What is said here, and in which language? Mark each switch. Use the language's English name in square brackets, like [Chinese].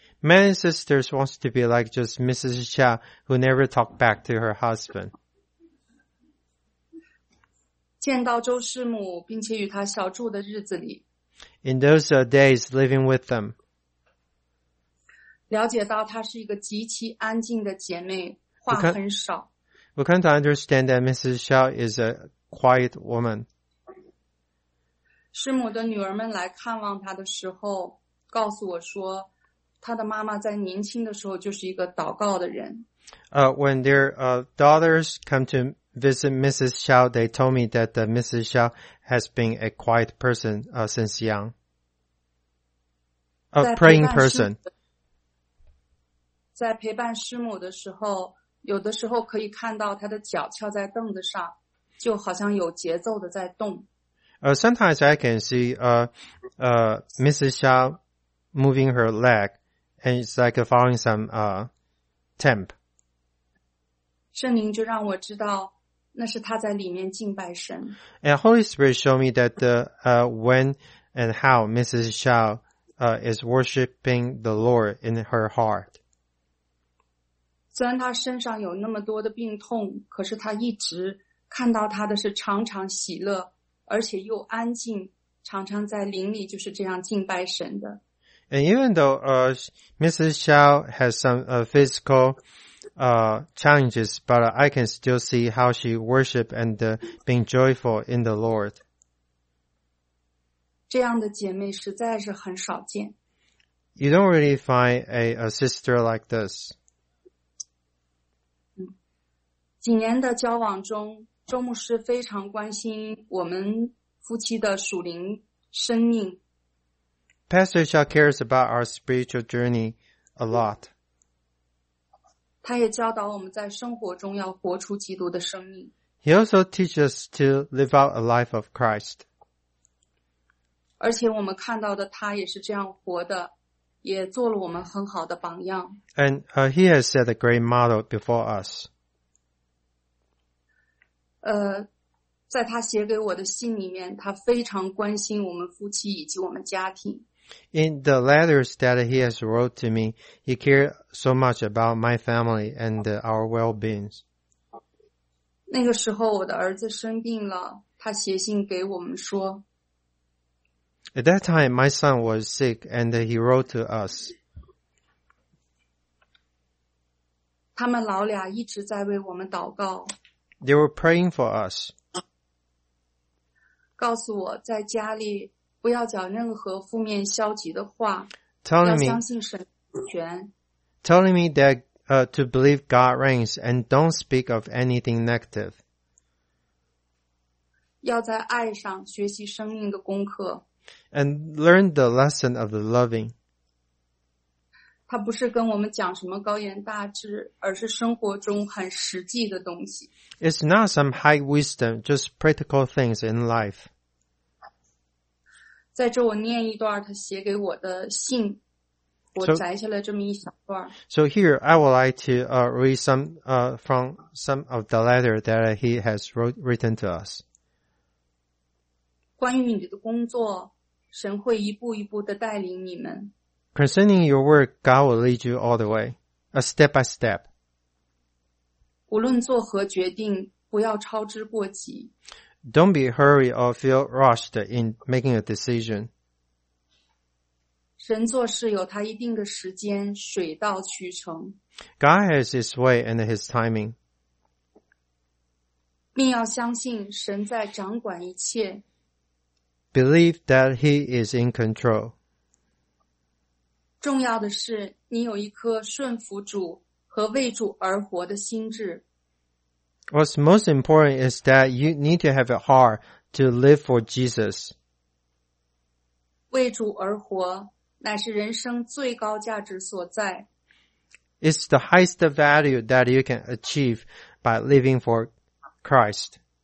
[English] Many sisters want to be like just Mrs. Cha who never talked back to her husband. [Chinese] 见到周师母并且与她小住的日子里。 [English] In those days living with them. [Chinese] 了解到她是一个极其安静的姐妹。 [English] We come to understand that Mrs. Xiao is a quiet woman. [Chinese] 师母的女儿们来看望她的时候，告诉我说，她的妈妈在年轻的时候就是一个祷告的人。 [English] When their daughters come to visit Mrs. Xiao, they told me that Mrs. Xiao has been a quiet person since young. A praying person. [Chinese] 在陪伴师母的时候，有的时候可以看到他的脚翘在凳子上，就好像有节奏的在动。 [English] Sometimes I can see Mrs. Xia moving her leg, and it's like following some temp. [Chinese] 圣灵就让我知道，那是他在里面敬拜神。 [English] And Holy Spirit showed me that when and how Mrs. Xia is worshiping the Lord in her heart. [Chinese] 虽然他身上有那么多的病痛，可是他一直看到他的是常常喜乐，而且又安静，常常在灵里就是这样敬拜神的。 [English] And even though Mrs. Xiao has some physical challenges, but I can still see how she worship and being joyful in the Lord. [Chinese] 这样的姐妹实在是很少见。 [English] You don't really find a sister like this. [Chinese] 几年的交往中，周牧师非常关心我们夫妻的属灵生命。 [English] Pastor Shaw cares about our spiritual journey a lot. [Chinese] 他也教导我们在生活中要活出基督的生命。 [English] He also teaches to live out a life of Christ. [Chinese] 而且我们看到的他也是这样活的，也做了我们很好的榜样。 [English] And he has set a great model before us. [Chinese] 在他写给我的信里面，他非常关心我们夫妻以及我们家庭。 [English] In the letters that he has wrote to me, he cared so much about my family and our well-being. [Chinese] 那个时候我的儿子生病了，他写信给我们说。 [English] At that time, my son was sick and he wrote to us. [Chinese] 他们老俩一直在为我们祷告。 [English] They were praying for us. [Chinese] 告诉我在家里不要讲任何负面消极的话。 [English] Telling me that to believe God reigns and don't speak of anything negative. [Chinese] 要在爱上学习生命的功课。 [English] And learn the lesson of the loving. [Chinese] 他不是跟我们讲什么高言大志，而是生活中很实际的东西。 [English] It's not some high wisdom, just practical things in life. [Chinese] 在这我念一段他写给我的信，我摘下了这么一小段。 [English] So here, I would like to read some from some of the letter that he has written to us. [Chinese] 关于你的工作，神会一步一步的带领你们。 [English] Concerning your work, God will lead you all the way, step by step. [Chinese] 无论做何决定，不要操之过急。 [English] Don't be hurried or feel rushed in making a decision. [Chinese] 神做事有他一定的时间，水到渠成。 [English] God has his way and his timing. [Chinese] 并要相信神在掌管一切。 [English] Believe that he is in control. [Chinese] 重要的是你有一颗顺服主和为主而活的心智。 [English] What's most important is that you need to have a heart to live for Jesus. [Chinese] 为主而活乃是人生最高价值所在。 [English] It's the highest value that you can achieve by living for Christ.